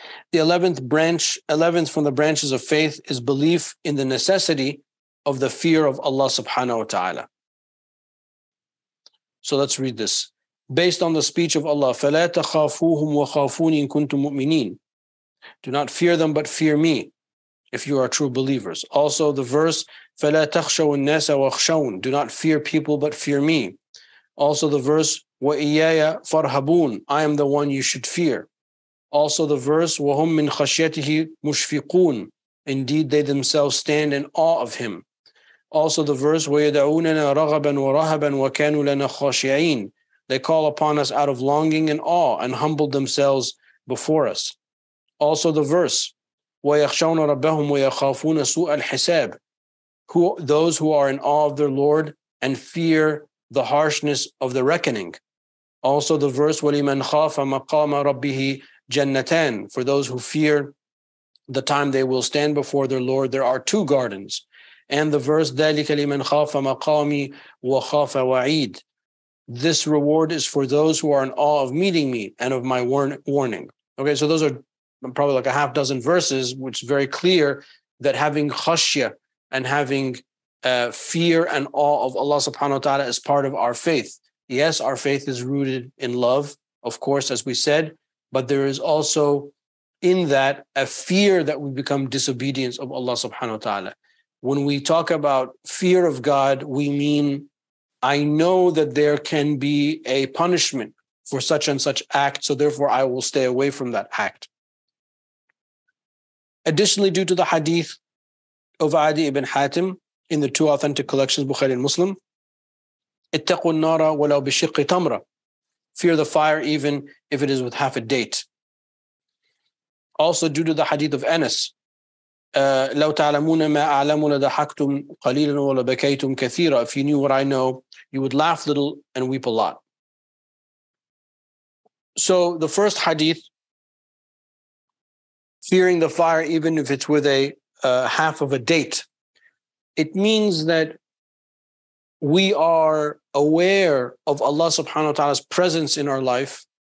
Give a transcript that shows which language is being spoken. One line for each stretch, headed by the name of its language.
English: The 11th branch, 11th from the branches of faith is belief in the necessity of the fear of Allah subhanahu wa ta'ala. So let's read this. Based on the speech of Allah,
Arabic: فَلَا تَخَافُوهُمْ وَخَافُونِ إِن كُنْتُمْ مُؤْمِنِينَ.
English: Do not fear them, but fear me, if you are true believers. Also the verse,
Arabic: فَلَا تَخْشَوُ النَّاسَ وَخْشَوْنَ.
English: Do not fear people, but fear me. Also the verse,
Arabic: وَإِيَّايَ فَرْهَبُونَ.
English: I am the one you should fear. Also the verse,
Arabic: وَهُمْ مِنْ خَشْيَتِهِ مُشْفِقُونَ.
English: Indeed, they themselves stand in awe of him. Also the verse,
Arabic: وَيَدَعُونَنَا رَغَبًا وَرَهَبًا وَكَانُوا لَنَا خَاشِعِينَ.
English: They call upon us out of longing and awe and humble themselves before us. Also the verse,
Arabic: وَيَخْشَوْنَ رَبَّهُمْ وَيَخَافُونَ سُوءَ الْحِسَابِ.
English: Those who are in awe of their Lord and fear the harshness of the reckoning. Also the verse,
Arabic: وَلِمَنْ خَافَ مَقَامَ رَبِّهِ جَنَّتَانِ.
English: For those who fear the time they will stand before their Lord, there are two gardens. And the verse,
Arabic: ذَلِكَ لِمَنْ خَافَ مَقَامِي وَخَافَ وَعِيدِ.
English: This reward is for those who are in awe of meeting me and of my warning. Okay, so those are probably like a half dozen verses, which is very clear that having khashya and having fear and awe of Allah subhanahu wa ta'ala is part of our faith. Yes, our faith is rooted in love, of course, as we said, but there is also in that a fear that we become disobedient of Allah subhanahu wa ta'ala. When we talk about fear of God, we mean, I know that there can be a punishment for such and such act, so therefore I will stay away from that act. Additionally, due to the hadith of Adi ibn Hatim in the two authentic collections, Bukhari and Muslim,
Arabic: اتقوا النار ولو بشق تمرة.
English: Fear the fire even if it is with half a date. Also, due to the hadith of Anas,
Arabic: لو تعلمون ما أعلم لضحكتم قليلا ولبكيتم كثيرا.
English: If you knew what I know, you would laugh little and weep a lot. So the first hadith, fearing the fire even if it's with a half of a date, it means that we are aware of Allah subhanahu wa ta'ala's presence in our life.